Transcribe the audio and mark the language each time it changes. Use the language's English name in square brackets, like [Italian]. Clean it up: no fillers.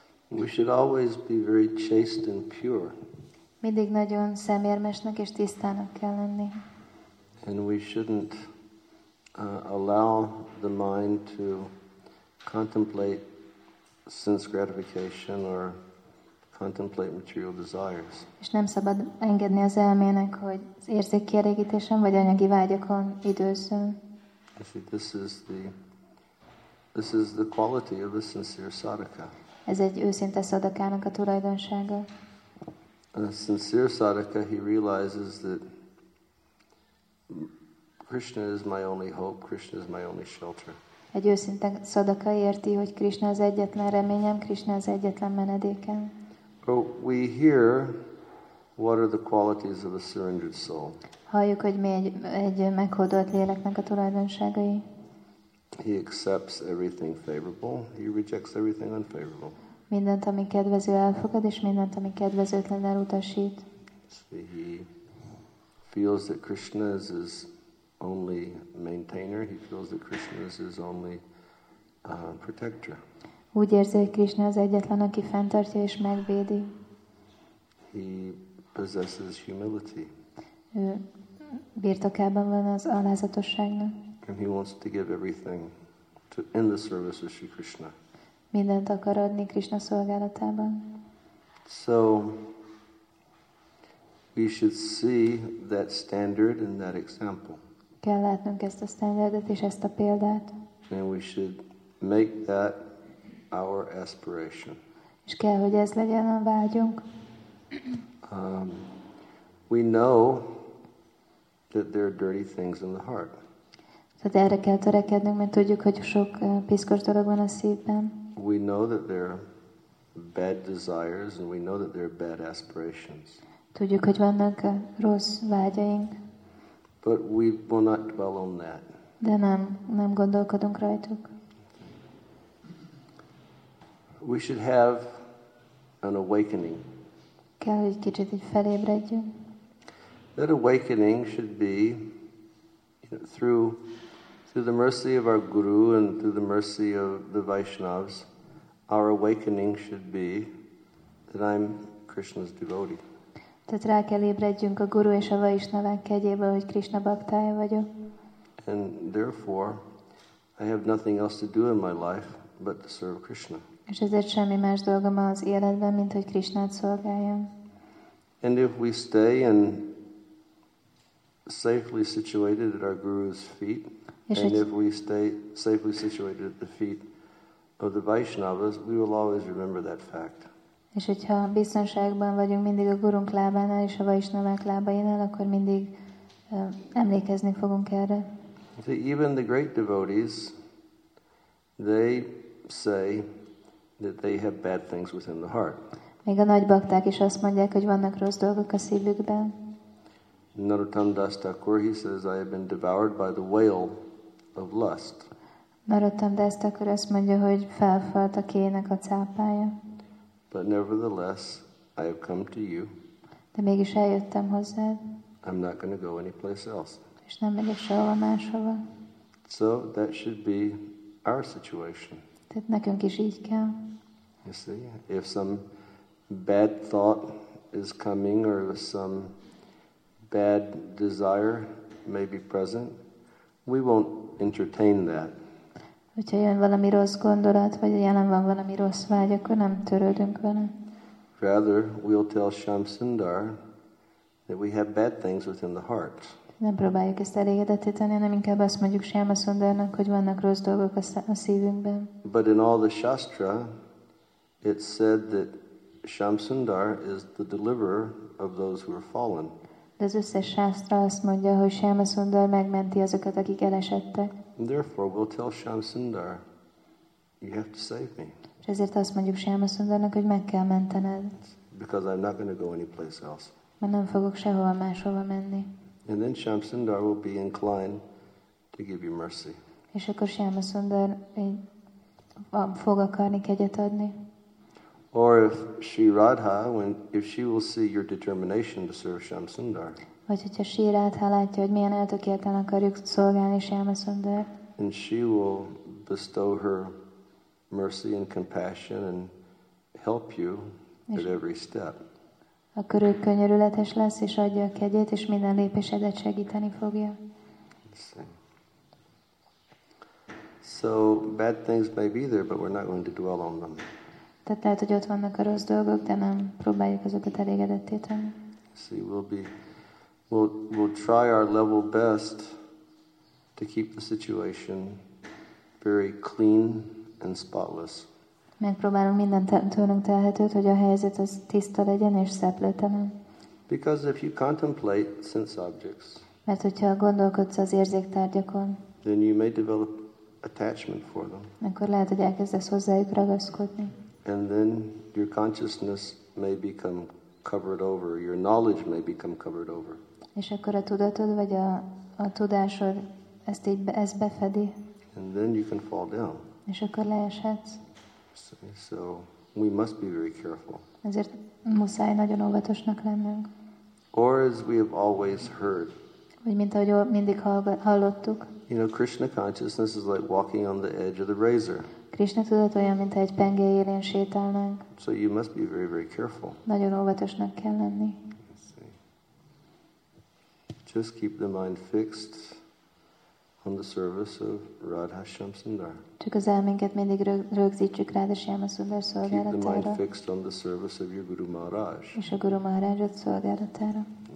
[English] we should always be very chaste and pure. [Hungarian] Mindig nagyon szemérmesnek és tisztának kell lenni. [English] And we shouldn't allow the mind to contemplate sense gratification or contemplate material desires. [Hungarian] És nem szabad engedni az elmének, hogy az érzékkielégítésen vagy anyagi vágyakon időzzön. [English] See, this is the quality of a sincere sadhaka. [Hungarian] Ez egy őszinte szadakának a tulajdonsága. [English] A sincere sadhaka, he realizes that Krishna is my only hope, Krishna is my only shelter. [Hungarian] Egy őszinte szadaka érti, hogy Krishna az egyetlen reményem, Krishna az egyetlen menedékem. [English] So we hear what are the qualities of a surrendered soul. [Hungarian] Halljuk, hogy mi egy meghódolt léleknek a tulajdonságai. [English] He accepts everything favorable, he rejects everything unfavorable. [Hungarian] Mindent, ami kedvező, elfogad, és mindent, ami kedvezőtlen, elutasít. [English] So he feels that Krishna is his only maintainer, he feels that Krishna is his only protector. [Hungarian] Úgy érzi, hogy Krishna az egyetlen, aki fenntartja és megvédi. [English] He possesses humility. [Hungarian] Ő birtokában van az alázatosságnak. [English] And he wants to give everything to in the service of Sri Krishna. [Hungarian] Mindent akar adni Krishna szolgálatában. [English] So we should see that standard and that example. [Hungarian] Kell látnunk ezt a standardet és ezt a példát. [English] And we should make that our aspiration. [Hungarian] És kell, hogy ez legyen a vágyunk. [English] We know that there are dirty things in the heart. [Hungarian] Tehát erre kell törekednünk, mert tudjuk, hogy sok piszkos dolog van a szívben. [English] We know that there are bad desires, and we know that there are bad aspirations. [Hungarian] Tudjuk, hogy vannak rossz vágyaink. [English] But we will not dwell on that. [Hungarian] De nem gondolkodunk rajtuk. [English] We should have an awakening. [Hungarian] Kell, hogy kicsit így felébredjünk. [English] That awakening should be, you know, through the mercy of our guru and through the mercy of the Vaishnavas, our awakening should be that I'm Krishna's devotee. [Hungarian] Tehát rá kell ébredjünk a guru és a Vaishnavák kegyéből, hogy Krishna baktája vagyok. [English] And therefore, I have nothing else to do in my life but to serve Krishna. [Hungarian] És ezért semmi más dolgom az életben, mint hogy Krishnát szolgáljam. [English] And if we stay and safely situated at our guru's feet, [Hungarian] és [English] and if we stay safely situated at the feet of the Vaishnavas, we will always remember that fact. [Hungarian] És hogyha biztonságban vagyunk mindig a gurunk lábánál és a Vaishnavák lábainál, akkor mindig emlékezni fogunk erre. [English] So even the great devotees, they say that they have bad things within the heart. [Hungarian] Még a nagy bakták is azt mondják, hogy vannak rossz dolgok a szívükben. [English] Narottam Das Thakur, he says, I have been devoured by the whale of lust. [Hungarian] Narottam Das Thakur azt mondja, hogy felfalt a kének a cápája. [English] But nevertheless, I have come to you. [Hungarian] De mégis eljöttem hozzád. [English] I'm not going to go anyplace else. [Hungarian] És nem megyek sehova máshova. [English] So that should be our situation. [Hungarian] Tehát nekünk is így kell. [English] You see, if some bad thought is coming or if some bad desire may be present, we won't entertain that. [Hungarian] Hogyha jön valami rossz gondolat, vagy jelen van valami rossz vágy, akkor nem törődünk vele. [English] Rather, we'll tell Shamsundar that we have bad things within the heart. [Hungarian] Nem próbáljuk ezt elégedetté tenni, hanem inkább azt mondjuk Shamsundarnak, hogy vannak rossz dolgok a szívünkben. [English] But in all the Shastra, it's said that Shamsundar is the deliverer of those who are fallen. [Hungarian] De az összes sásztra azt mondja, hogy Shamsundar megmenti azokat, akik elesettek. [English] And therefore, we'll tell Shamsundar, you have to save me. [Hungarian] És ezért azt mondjuk Shamsundarnak, hogy meg kell mentened. [English] Because I'm not going to go anyplace else. [Hungarian] Mert nem fogok sehova máshova menni. [English] And then Shamsundar will be inclined to give you mercy. [Hungarian] És akkor Shamsundar fog akarni kegyet adni. [English] Or if Sri Radha, when if she will see your determination to serve Shamsundar. [Hungarian] Vagy hogyha Sri Radha látja, hogy milyen eltökélten akarjuk szolgálni Shamsundar. [English] And she will bestow her mercy and compassion and help you at every step. [Hungarian] Akkor ő könyörületes lesz, és adja a kegyét, és minden lépésedet segíteni fogja. [English] So bad things may be there, but we're not going to dwell on them. [Hungarian] Tehát lehet, hogy ott vannak a rossz dolgok, de nem próbáljuk azokat elégedetté tenni. [English] See, we'll try our level best to keep the situation very clean and spotless. [Hungarian] Megpróbálunk mindent tőlünk telhetőt, hogy a helyzet az tiszta legyen és szeplőtelen. [English] Because if you contemplate sense objects, [Hungarian] mert hogyha gondolkodsz az érzéktárgyakon, [English] then you may develop attachment for them. [Hungarian] Akkor lehet, hogy elkezdesz hozzájuk ragaszkodni. [English] And then your consciousness may become covered over, your knowledge may become covered over. [Hungarian] És akkor a tudatod vagy a tudásod ezt így ezt befedi. [English] And then you can fall down. [Hungarian] És akkor leeshetsz. [English] So we must be very careful. [Hungarian] Ezért muszáj nagyon óvatosnak lennünk. [English] Or as we have always heard. [Hungarian] Vagy mint ahogy mindig hallottuk. [English] You know, Krishna consciousness is like walking on the edge of the razor. [Hungarian] Krishna tudat olyan, mint egy penge élén sétálnánk. [English] So you must be very, very careful. [Hungarian] Nagyon óvatosnak kell lenni. [English] Just keep the mind fixed on the service of Radha Shamsundar. [Hungarian] Csak az elménket mindig rögzítsük Radha Shamsundar szolgálatára. [English] Keep the mind fixed on the service of your Guru Maharaj. [Hungarian] És a Guru Maharajot szolgálatára.